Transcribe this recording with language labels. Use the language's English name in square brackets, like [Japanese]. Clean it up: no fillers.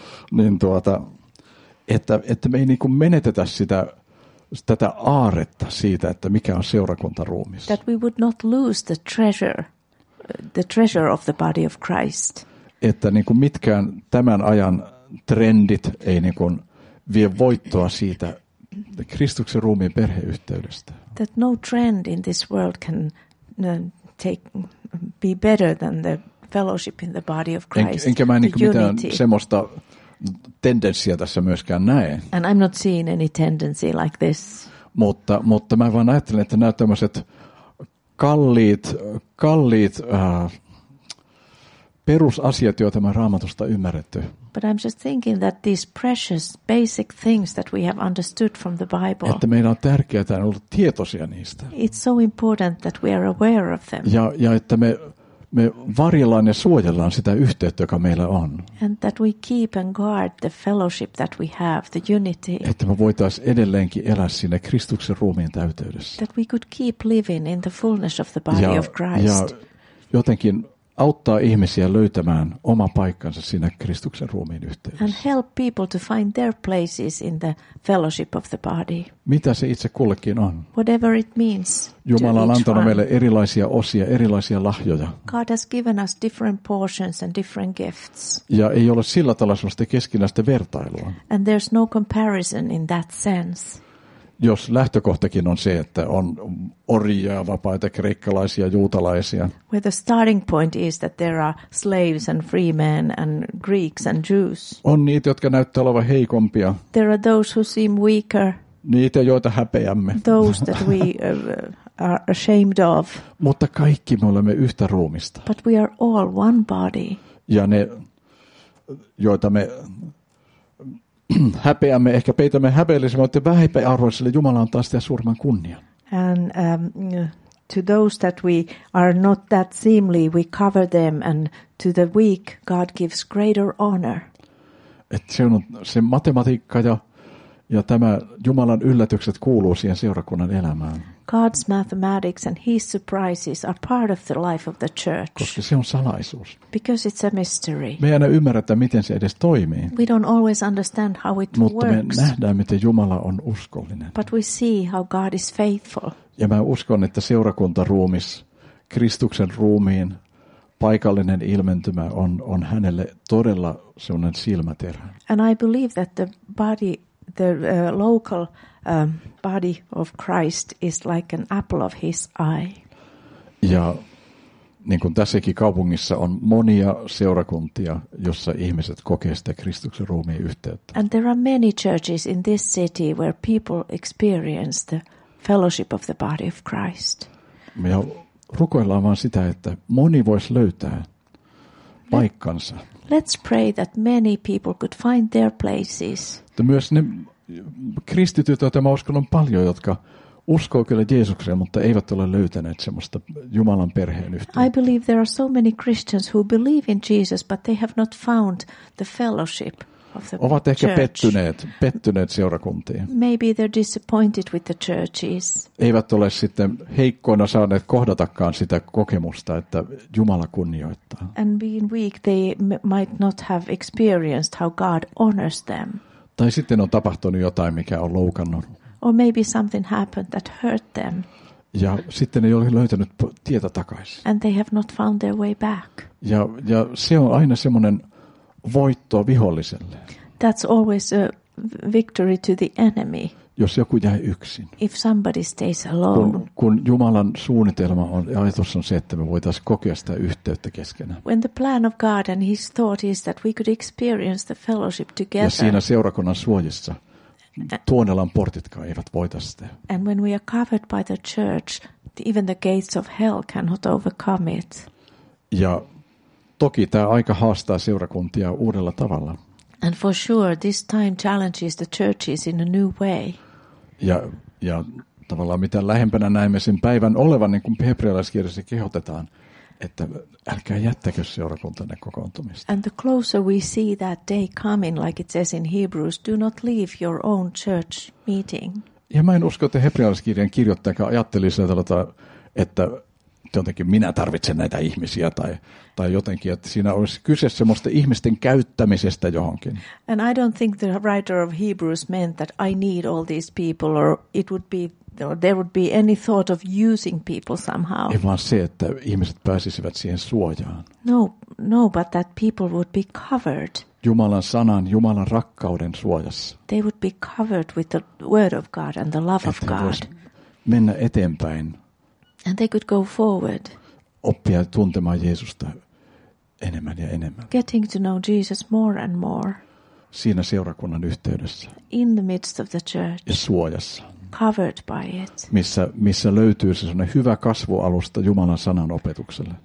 [Finnish] Niin että me ei niinku menetetä tätä aaretta siitä, että mikä on seurakuntaruumissa. [English] That we would not lose the treasure of the body of Christ. [Finnish] että niin kuin mitkään tämän ajan trendit ei niin kuin vie voittoa siitä Kristuksen ruumiin perheyhteydestä. [English] That no trend in this world can take be better than the fellowship in the body of Christ. [Finnish] Enkä mä niin kuin mitään semmoista tendenssiä tässä myöskään näe. [English] And I'm not seeing any tendency like this. [Finnish] Mutta mä vaan ajattelen, että nämä tämmöiset kalliit perusasiat, joita me Raamatusta ymmärretty. [English] But I'm just thinking that these precious basic things that we have understood from the Bible. [Finnish] Että meidän on tärkeää, että on ollut tietoisia niistä. [English] It's so important that we are aware of them. [Finnish] Ja että me varjellaan ja suojellaan sitä yhteyttä, joka meillä on. [English] And that we keep and guard the fellowship that we have, the unity. [Finnish] Että me voitaisiin edelleenkin elää siinä Kristuksen ruumiin täyteydessä. [English] That we could keep living in the fullness of the body of Christ. [Finnish] Ja jotenkin auttaa ihmisiä löytämään oma paikkansa siinä Kristuksen ruumiin yhteydessä. [English] And help people to find their places in the fellowship of the body. [Finnish] Mitä se itse kullekin on? [English] Whatever it means. [Finnish] Jumala on antanut meille erilaisia osia, erilaisia lahjoja. [English] God has given us different portions and different gifts. [Finnish] Ja ei ole sillä tavalla sellaista keskinäistä vertailua. [English] And there's no comparison in that sense. [Finnish] Jos lähtökohtakin on se, että on orjia, vapaita, kreikkalaisia, juutalaisia. [English] Where the starting point is that there are slaves and free men and Greeks and Jews. [Finnish] On niitä, jotka näyttää olevan heikompia. [English] There are those who seem weaker. [Finnish] Niitä, joita häpeämme. [English] Those that we are ashamed of. [Finnish] Mutta kaikki me olemme yhtä ruumista. [English] But we are all one body. [Finnish] Ja ne, joita me häpeämme, ehkä peitämme häpeällisemme, mutta vähempiarvoisille Jumala antaa sitä suurman kunnian. [English] And to those that we are not that seemly, we cover them, and to the weak, God gives greater honor. [Finnish] Että se on se matematiikka ja tämä Jumalan yllätykset kuuluu siihen seurakunnan elämään. [English] God's mathematics and his surprises are part of the life of the church. [Finnish] Koska se on salaisuus. [English] Because it's a mystery. [Finnish] Me ei aina ymmärretä, miten se edes toimii. [English] We don't always understand how it [Finnish] Mutta [English] works. [Finnish] Mutta me nähdään, miten Jumala on uskollinen. [English] But we see how God is faithful. [Finnish] Ja mä uskon, että seurakuntaruumis, Kristuksen ruumiin, paikallinen ilmentymä on hänelle todella sellainen silmäterä. [English] And I believe that the local body of Christ is like an apple of his eye. [Finnish] Ja niin kuin tässäkin kaupungissa on monia seurakuntia, jossa ihmiset kokee sitä Kristuksen ruumiin yhteyttä. [English] And there are many churches in this city where people experience the fellowship of the body of Christ. [Finnish] Me rukoillaan vaan sitä, että moni voisi löytää paikkansa. [English] Let's pray that many people could find their places. [Finnish] Ja myös ne kristityt, joita mä uskon, on paljon, jotka uskoo kyllä Jeesukseen, mutta eivät ole löytäneet semmoista Jumalan perheen yhteyttä. [English] I believe there are so many Christians who believe in Jesus, but they have not found the fellowship of the church. [Finnish] Ovat ehkä pettyneet seurakuntiin. [English] Maybe they're disappointed with the churches. [Finnish] Eivät ole sitten heikkoina saaneet kohdatakaan sitä kokemusta, että Jumala kunnioittaa. [English] And being weak, they might not have experienced how God honors them. [Finnish] Tai sitten on tapahtunut jotain, mikä on loukannut. [English] Or maybe something happened that hurt them. [Finnish] Ja sitten ei ole löytänyt tietä takaisin. [English] And they have not found their way back. [Finnish] Ja se on aina semmoinen voitto viholliselle. [English] That's always a victory to the enemy. [Finnish] Jos joku jää yksin. [English] If somebody stays alone. [Finnish] Kun Jumalan suunnitelma on, ja ajatus on se, että me voitaisiin kokea sitä yhteyttä keskenään. [English] When the plan of God and his thought is that we could experience the fellowship together. [Finnish] Ja siinä seurakunnan suojissa Tuonelan portitkaan eivät voita sitä. [English] And when we are covered by the church, even the gates of hell cannot overcome it. [Finnish] Ja toki tämä aika haastaa seurakuntia uudella tavalla. [English] And for sure, this time challenges the churches in a new way. [Finnish] Ja tavallaan mitä lähempänä näemme sen päivän olevan, niin kuin hebrealaiskirjassa kehotetaan, että älkää jättäkö seurakuntanne kokoontumista. [English] And the closer we see that day coming, like it says in Hebrews, do not leave your own church meeting. [Finnish] Ja mä en usko, että hebrealaiskirjan kirjoittaja ajatteli sieltä, että jotenkin minä tarvitsen näitä ihmisiä tai jotenkin, että siinä olisi kyse semmoista ihmisten käyttämisestä johonkin. [English] And I don't think the writer of Hebrews meant that I need all these people or it would be there would be any thought of using people somehow. [Finnish] Ei vaan se, että ihmiset pääsisivät siihen suojaan. [English] No, but that people would be covered. [Finnish] Jumalan sanan, Jumalan rakkauden suojassa. [English] They would be covered with the word of God and the love of God. [Finnish] Mennä eteenpäin. [English] And they could go forward. [Finnish] Oppia tuntemaan Jeesusta enemmän ja enemmän. [English] Getting to know Jesus more and more. [Finnish] Siinä seurakunnan yhteydessä. [English] In the midst of the church. [Finnish] Ja suojassa. [English] Covered by it. [Finnish] Missä löytyy se sellainen hyvä kasvualusta Jumalan sanan opetukselle.